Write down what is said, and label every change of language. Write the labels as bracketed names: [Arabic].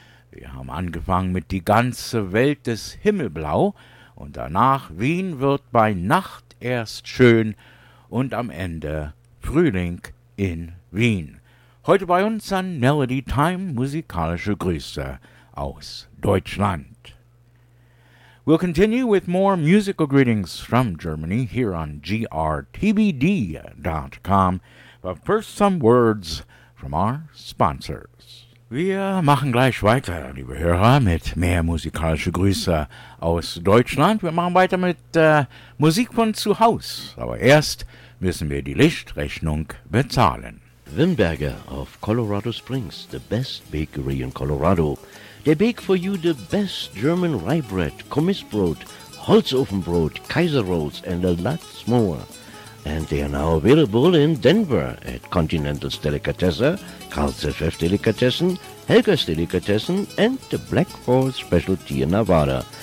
[German] Wir haben angefangen mit Die ganze Welt des Himmelblau und danach Wien wird bei Nacht erst schön und am Ende Frühling in Wien. Heute bei uns an Melody Time, musikalische Grüße aus Deutschland. [English] We'll continue with more musical greetings from Germany here on grtbd.com, but first some words from our sponsors. [German] Wir machen gleich weiter, liebe Hörer, mit mehr musikalische Grüße aus Deutschland. Wir machen weiter mit Musik von zu Hause, aber erst müssen wir die Lichtrechnung bezahlen. [English] Wimberger of Colorado Springs, the best bakery in Colorado. They bake for you the best German rye bread, Kommissbrot, Holzofenbrot, Kaiser Rolls, and a lot more. And they are now available in Denver at Continental's Delicatesse, Karl's FF Delicatessen, Helga's Delicatessen, and the Black Horse Specialty in Nevada.